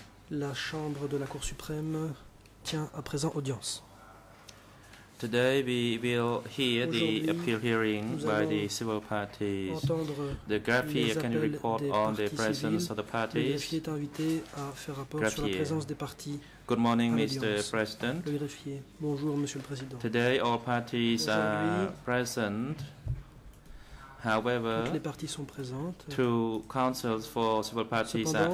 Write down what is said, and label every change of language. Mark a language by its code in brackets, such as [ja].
[fr] La chambre de la Cour suprême tient à présent audience. [en] Today we will hear the appeal hearing by the civil parties. The Greffier, can you report on the presence of the parties? [fr] Le Greffier est invité à faire rapport sur la présence des parties. [en] Good morning, Mr. President. [fr] Le Greffier. Bonjour, Monsieur le Président. [en] Today all parties are present. However, [fr] toutes les parties sont présentes. [en] Two counsels for civil parties [fr] Cependant,